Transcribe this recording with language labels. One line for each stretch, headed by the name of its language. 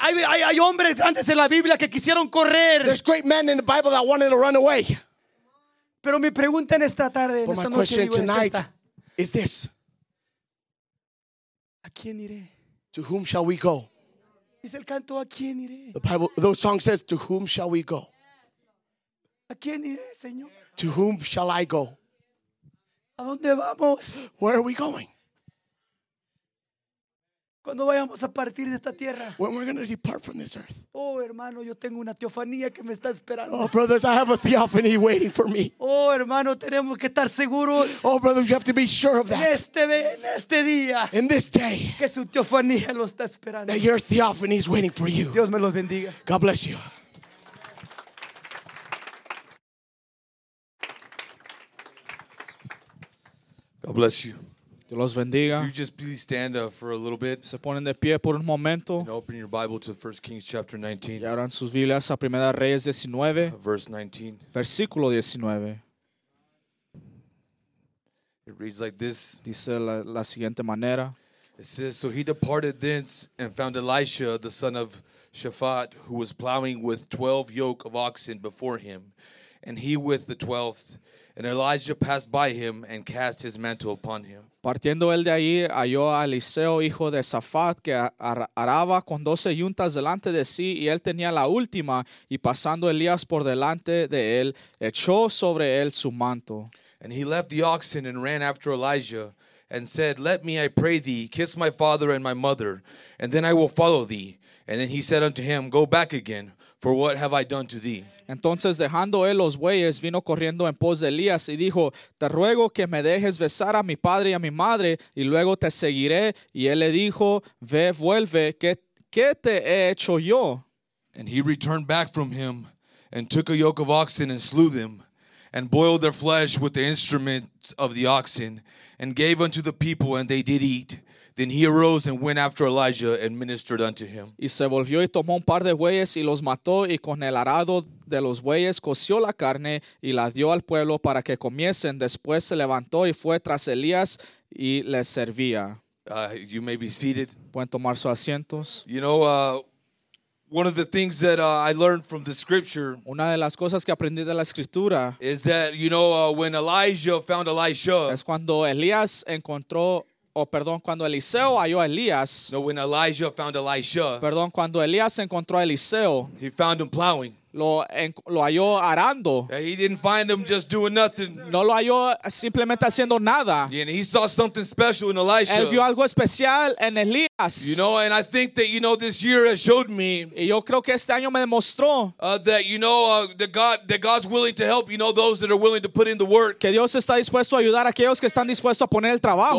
Spanish: Hay hombres grandes en la Biblia que quisieron correr.
English: There's great men in the Bible that wanted to run away.
Spanish: Pero mi pregunta en esta tarde,
English: but
Spanish: en esta
English: my question
Spanish: noche,
English: tonight
Spanish: es esta.
English: Is this.
Spanish: ¿A quién iré?
English: To whom shall we go?
Spanish: Es el canto, ¿a quién iré?
English: The Bible, the song says, to whom shall we go?
Spanish: ¿A quién iré, Señor?
English: To whom shall I go?
Spanish: ¿A dónde vamos?
English: Where are we going?
Spanish: ¿Cuándo vayamos a partir de esta tierra?
English: When we're going to depart from this earth.
Spanish: Oh, hermano, yo tengo una teofanía que me está esperando.
English: Oh, brothers, I have a theophany waiting for me.
Spanish: Oh, hermano, tenemos que estar seguros.
English: Oh, brothers, you have to be sure of that.
Spanish: En este día.
English: In this day.
Spanish: Que su teofanía lo está esperando.
English: That your theophany is waiting for you.
Spanish: Dios me los bendiga.
English: God bless you. God bless you.
Spanish: Dios los bendiga.
English: If you just please stand up for a little bit.
Spanish: Se ponen de pie por un momento.
English: And open your Bible to 1 Kings chapter 19.
Spanish: Y abran sus Biblias a Primera Reyes 19.
English: Verse 19.
Spanish: Versículo 19.
English: It reads like this.
Spanish: Dice la siguiente manera.
English: It says, so he departed thence and found Elisha, the son of Shaphat, who was plowing with 12 yoke of oxen before him, and he with the 12th. And Elijah passed by him and cast his mantle upon him.
Spanish: Partiendo él de allí, halló a Eliseo, hijo de Safat, que araba con 12 yuntas delante de sí, y él tenía la última, y pasando Elías por delante de él, echó sobre él su manto.
English: And he left the oxen and ran after Elijah, and said, let me, I pray thee, kiss my father and my mother, and then I will follow thee. And then he said unto him, go back again, for what have I done to thee?
Spanish: Entonces, dejando él los bueyes, vino corriendo en pos de Elías y dijo, te ruego que me dejes besar a mi padre y a mi madre, y luego te seguiré. Y él le dijo, ve, vuelve, ¿qué te he hecho yo?
English: And he returned back from him and took a yoke of oxen and slew them and boiled their flesh with the instruments of the oxen and gave unto the people, and they did eat. Then he arose and went after Elijah and ministered unto him.
Spanish: Y se volvió y tomó un par de bueyes y los mató, y con el arado de los bueyes coció la carne y la dio al pueblo para que comiesen. Después se levantó y fue tras Elías y les servía.
English: You may be seated.
Spanish: Pueden tomar sus asientos.
English: You know, one of the things that I learned from the scripture,
Spanish: una de las cosas que aprendí de la escritura,
English: is that, you know, when Elijah found Elisha,
Spanish: es cuando Elías encontró cuando Eliseo halló a Elías.
English: No, when Elijah found Elisha.
Spanish: Perdón, cuando Elías encontró a Eliseo.
English: He found him plowing.
Spanish: Lo halló arando.
English: Yeah, he didn't find him just doing nothing.
Spanish: No lo halló simplemente haciendo nada.
English: Yeah, and he saw something special in Elisha.
Spanish: Él vio algo especial en Elías.
English: You know, and I think that, you know, this year has showed me.
Spanish: Y yo creo que este año me demostró.
English: That, you know, that God's willing to help, you know, those that are willing to put in the work.
Spanish: Que Dios está dispuesto a ayudar a aquellos que están dispuestos a poner el trabajo.